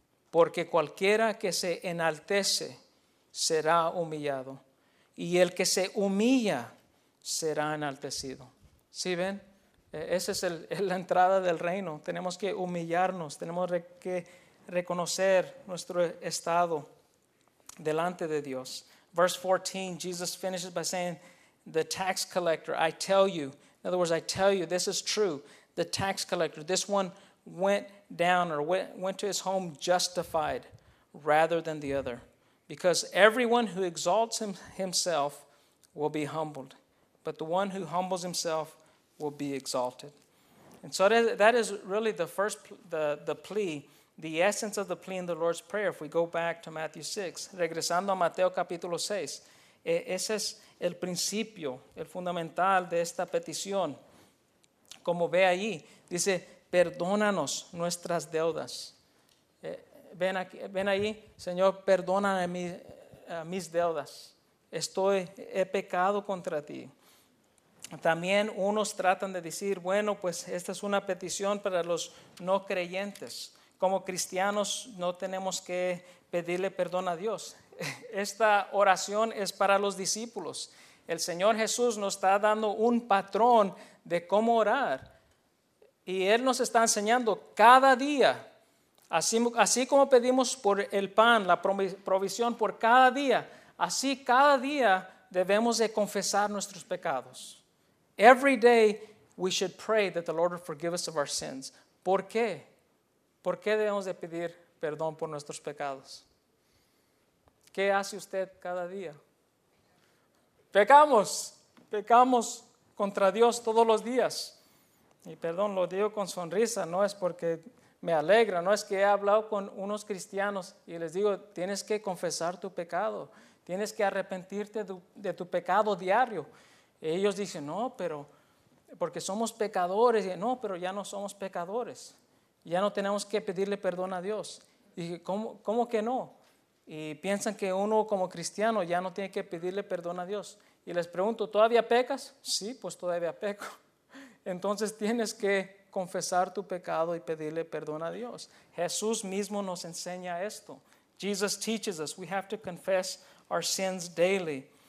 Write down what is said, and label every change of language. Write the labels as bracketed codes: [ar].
[es] Porque cualquiera que se enaltece será humillado, y el que se humilla será enaltecido. ¿Sí ven? Esa es la entrada del reino. Tenemos que humillarnos, tenemos que reconocer nuestro estado delante de Dios. [en] Verse 14, Jesus finishes by saying, the tax collector, I tell you, in other words, I tell you, this is true, the tax collector, this one went down or went to his home justified rather than the other. Because everyone who exalts himself will be humbled, but the one who humbles himself will be exalted. And so that is really the first, the plea, the essence of the plea in the Lord's Prayer. If we go back to Matthew 6, [es] regresando a Mateo capítulo 6, ese es el principio, el fundamental de esta petición. Como ve ahí, dice, perdónanos nuestras deudas. Ven aquí, ven ahí, Señor, perdona mis deudas. He pecado contra ti. También unos tratan de decir, bueno, pues esta es una petición para los no creyentes. Como cristianos no tenemos que pedirle perdón a Dios. Esta oración es para los discípulos. El Señor Jesús nos está dando un patrón de cómo orar. Y Él nos está enseñando cada día. Así como pedimos por el pan, la provisión por cada día, así cada día debemos de confesar nuestros pecados. [en] Every day we should pray that the Lord will forgive us of our sins. [es] ¿Por qué? ¿Por qué debemos de pedir perdón por nuestros pecados? ¿Qué hace usted cada día? Pecamos contra Dios todos los días. Y perdón, lo digo con sonrisa, no es porque me alegra, no es que he hablado con unos cristianos y les digo, tienes que confesar tu pecado, tienes que arrepentirte de tu pecado diario. Y ellos dicen, no, pero porque somos pecadores. Y no, pero ya no somos pecadores, ya no tenemos que pedirle perdón a Dios. Y dije, ¿cómo que no? Y piensan que uno como cristiano ya no tiene que pedirle perdón a Dios. Y les pregunto, ¿todavía pecas? Sí, pues todavía peco. Entonces tienes que confesar tu pecado y pedirle perdón a Dios. Jesús mismo nos enseña esto. [en] Jesus teaches us we have to confess our sins daily.